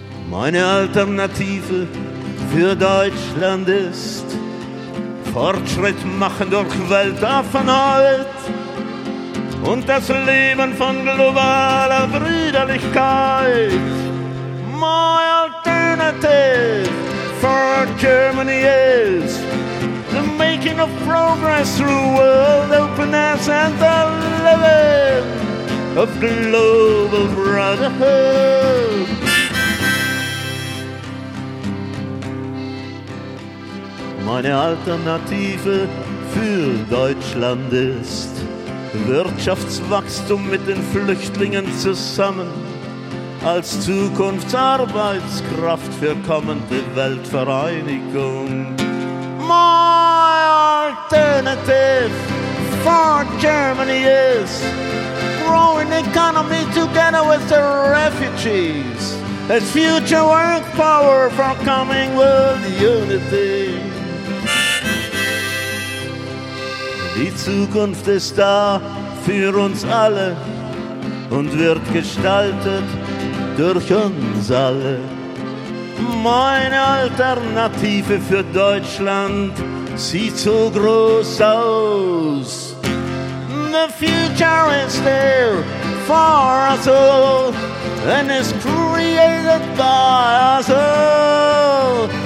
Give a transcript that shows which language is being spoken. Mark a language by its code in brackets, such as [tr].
[de] Meine Alternative für Deutschland ist Fortschritt machen durch Weltoffenheit und das Leben von globaler Brüderlichkeit. [en] My alternative for Germany is the making of progress through world openness and the living of global brotherhood. [de] Meine Alternative für Deutschland ist Wirtschaftswachstum mit den Flüchtlingen zusammen als Zukunftsarbeitskraft für kommende Weltvereinigung. [en] My alternative for Germany is growing economy together with the refugees as future work power for coming world unity. [de] Die Zukunft ist da für uns alle und wird gestaltet durch uns alle. Meine Alternative für Deutschland sieht so groß aus. [en] The future is there for us all and is created by us all.